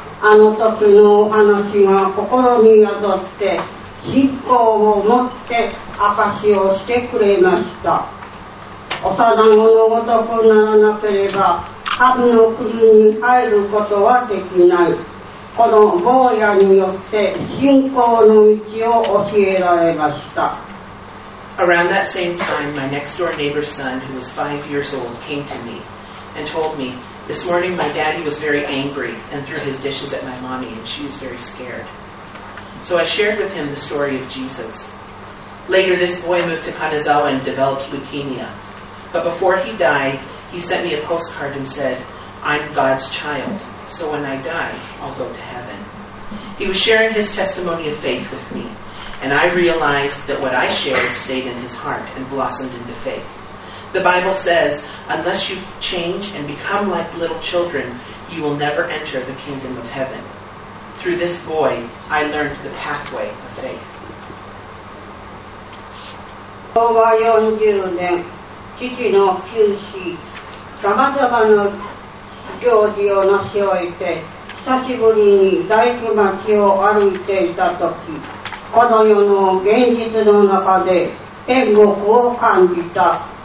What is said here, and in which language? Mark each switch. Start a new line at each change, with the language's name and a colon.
Japanese: あの時のお話が心に宿って信仰を持って証しをしてくれました。幼子のごとくならなければ神の国に入ることはできない。この坊やによって信仰の道を教えられました。
English: Around that same time, my next door neighbor's son, who was 5 years old, came to me and told me, "This morning my daddy was very angry and threw his dishes at my mommy and she was very scared." So I shared with him the story of Jesus. Later this boy moved to Kanazawa and developed leukemia. But before he died, he sent me a postcard and said, "I'm God's child, so when I die, I'll go to heaven." He was sharing his testimony of faith with me, and I realized that what I shared stayed in his heart and blossomed into faith. The Bible says, unless you change and become like little children, you will never enter the kingdom of heaven. Through this boy, I learned the pathway of faith.
Japanese: 昭和40年、父の急死、さまざまな行事を成し終えて、久しぶりに大工町を歩いていたとき、この世の現実の中で天国を感じた。